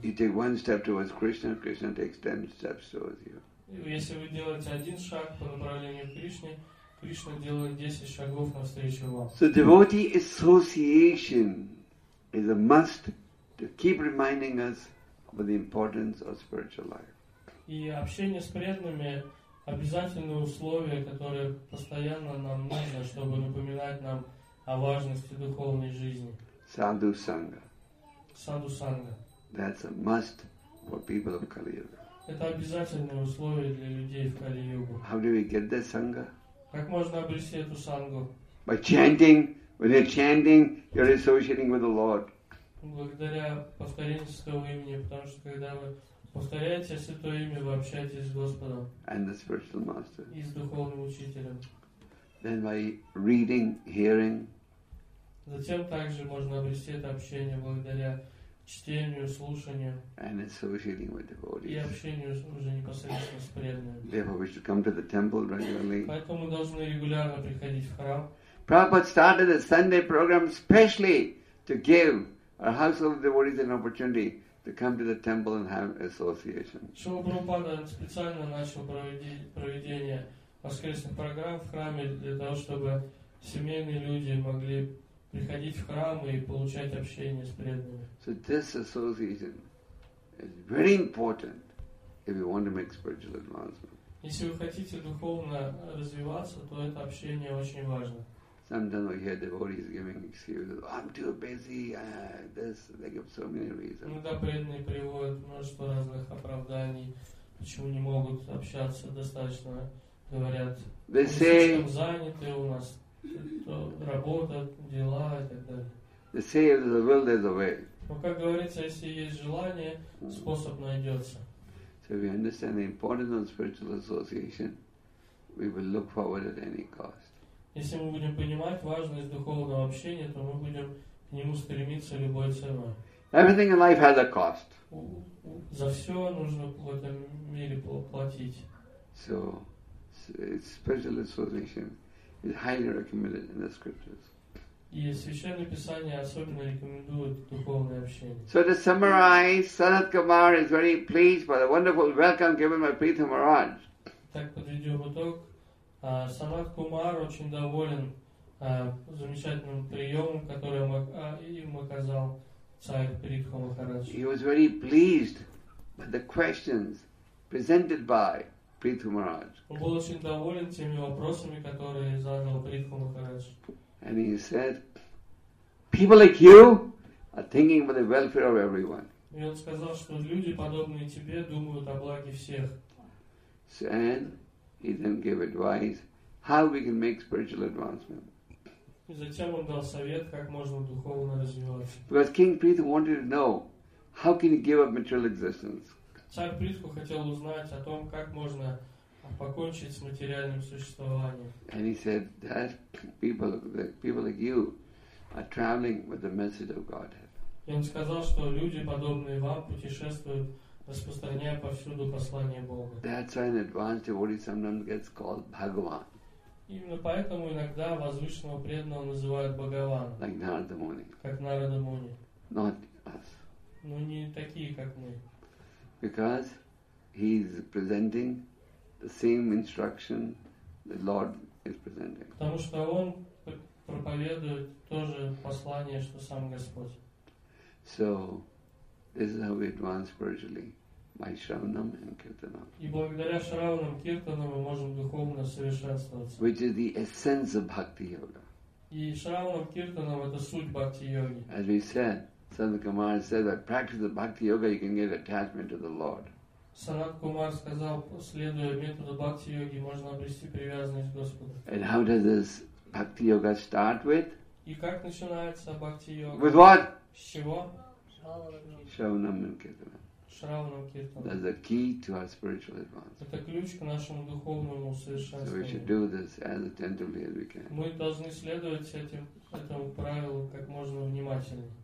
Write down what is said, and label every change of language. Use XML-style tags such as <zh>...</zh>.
<en>You take one step towards Krishna, Krishna takes 10 steps towards you.</en> <ru>Если вы делаете один шаг по направлению к Кришне, Кришна делает 10 шагов навстречу вам.</ru> <en>So devotee association is a must to keep reminding us of the importance of spiritual life.</en> <ru>И общение с преданными обязательное условие, которое постоянно нам нужно, чтобы напоминать нам о важности духовной жизни.</ru> <en>Sadhu Sangha.</en> <ru>Sadhu Sangha.</ru> <en>That's a must for people of Kali Yuga.</en> <ru>Это обязательное условие для людей в Кали Югу.</ru> <en>How do we get that Sangha?</en> <ru>Как можно обрести эту сангу?</ru> <en>By chanting. When you're chanting, you're associating with the Lord.</en> <ru>Благодаря повторению святого имени, потому что когда вы повторяете святое имя, вы общаетесь с Господом.</ru> <en>And the spiritual master.</en> <ru>И с духовным учителем.</ru> <en>Then by reading, hearing.</en> <ru>Затем также можно обрести это общение благодаря чтению, слушанию.</ru> <en>And associating with devotees.</en> <ru>И общению уже непосредственно с преданными.</ru> <en>Therefore, we should come to the temple regularly.</en> <ru>Поэтому мы должны регулярно приходить в храм.</ru> <en>Prabhupada started a Sunday program specially to give our household devotees an opportunity to come to the temple and have association.</en> <ru>Шрила Прабхупада специально начал проведение воскресных программ в храме для того, чтобы семейные люди могли приходить в храм и получать общение с преданными.</ru> <en>So this association is very important if you want to make spiritual advancement.</en> <ru>Если вы хотите духовно развиваться, то это общение очень важно.</ru> <en>Sometimes we hear devotees giving excuses. Oh, I'm too busy. They give so many reasons.</en> <ru>Иногда преданные приводят множество разных оправданий, почему не могут общаться достаточно. Говорят,</ru> <en>they say,</en> <ru>заняты у нас, то работа, дела и так далее.</ru> <en>They say, if the will, there's a way.</en> <ru>Но, как говорится, если есть желание, способ найдется.</ru> <en>So we understand the importance of spiritual association. We will look forward at any cost.</en> <ru>Если мы будем понимать важность духовного общения, то мы будем к нему стремиться любой ценой.</ru> <en>Everything in life has a cost.</en> <ru>За все нужно в этом мире платить.</ru> <en>So, spiritual association is highly recommended in the scriptures.</en> <ru>И Священное Писание особенно рекомендует духовное общение.</ru> <en>So to summarize, Sanat Kumar is very pleased by the wonderful welcome given by Prithu Maharaj.</en> <ru>Так подведем итог. Санат Кумар очень доволен замечательным приемом, который им оказал царь Приху Махарадж.</ru> <en>He was very pleased by the questions presented by Prithu Maharaj.</en> <ru>Он был очень доволен теми вопросами, которые задал Приху Махарадж.</ru> <en>And he said, "People like you are thinking about the welfare of everyone."</en> <ru>И он сказал, что люди подобные тебе думают о благе всех.</ru> <en>And he then gave advice how we can make spiritual advancement.</en> <ru>И затем он дал совет, как можно духовно развиваться.</ru> <en>Because King Prithu wanted to know how can you give up material existence.</en> <ru>Царь Притху хотел узнать о том, как можно покончить с материальным существованием.</ru> <en>And he said that people like you are traveling with the message of Godhead.</en> <ru>И он сказал, что люди подобные вам путешествуют, распространяя повсюду послание Бога.</ru> <en>That's why an advanced devotee sometimes gets called Bhagavan.</en> <ru>Именно поэтому иногда возвышенного преданного называют Бхагаван.</ru> <en>Like Narada Muni.</en> <ru>Как Нарада Муни.</ru> <en>Not us.</en> <ru>Но не такие, как мы.</ru> <en>Because he is presenting the same instruction the Lord is presenting.</en> <ru>Потому что он проповедует то же послание, что сам Господь.</ru> <en>So this is how we advance spiritually. Майшраванам и Киртанам.</en> <ru>И благодаря Шраванам Киртанам мы можем духовно совершенствоваться.</ru> <en>Which is the essence of Bhakti Yoga.</en> <ru>И Шраванам Киртанам это суть Бхакти Йоги.</ru> <en>As we said, Sanat Kumar said that practice of Bhakti Yoga you can get attachment to the Lord.</en> <ru>Санат Кумар сказал, следуя методу Бхакти Йоги, можно обрести привязанность к Господу.</ru> <en>And how does this Bhakti Yoga start with?</en> <ru>И как начинается Бхакти Йога?</ru> <en>With what?</en> <ru>С чего?</ru> <en>Шраванам и Киртанам. That's the key to our spiritual advance.</en> <ru>Это ключ к нашему духовному совершенствованию.</ru> <en>So we should do this as attentively as we can.</en> <ru>Мы должны следовать этому правилу как можно внимательнее.</ru>